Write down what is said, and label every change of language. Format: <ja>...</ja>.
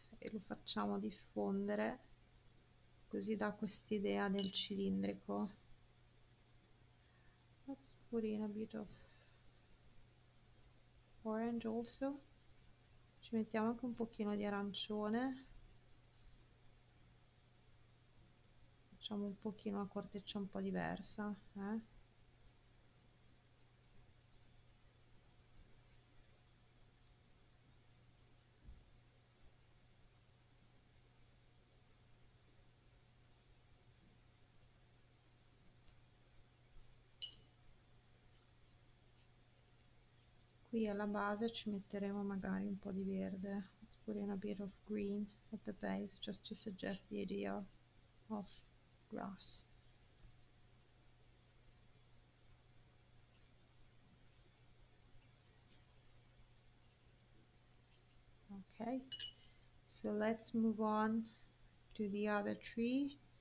<it>E lo facciamo diffondere così dà quest'idea del cilindrico.</it> <en>Let's put in a bit of orange also.</en> <it>Ci mettiamo anche un pochino di arancione. Facciamo un pochino una corteccia un po' diversa, eh? Qui alla base ci metteremo magari un po' di verde.</it> <en>Let's put in a bit of green at the base, just to suggest the idea of grass. Okay, so let's move on to the other tree.</en>